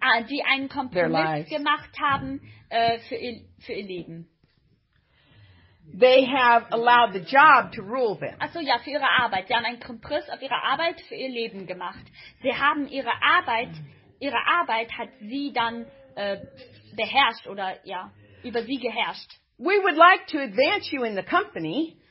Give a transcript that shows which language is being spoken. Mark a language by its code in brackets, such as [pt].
[de] Die einen Kompromiss gemacht haben für ihr Leben. [en] They have allowed the job to rule them. [de] Ach so, ja, für ihre Arbeit. Sie haben einen Kompromiss auf ihre Arbeit für ihr Leben gemacht. Sie haben ihre Arbeit hat sie dann beherrscht oder ja, über sie geherrscht. [en] We would like to advance you in the company.